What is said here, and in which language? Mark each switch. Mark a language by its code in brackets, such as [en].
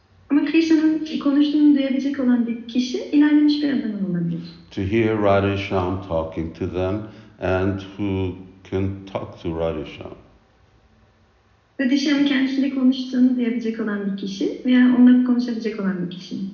[tr] Ama Krishna'nın konuştuğunu duyabilecek olan bir kişi ilerlemiş bir adam olabilir. [en] To hear Radhe Shyam talking to them and who can talk to Radhe Shyam. [tr] Radhe Shyam'ın kendisiyle konuştuğunu duyabilecek olan bir kişi veya onunla konuşabilecek olan bir kişi.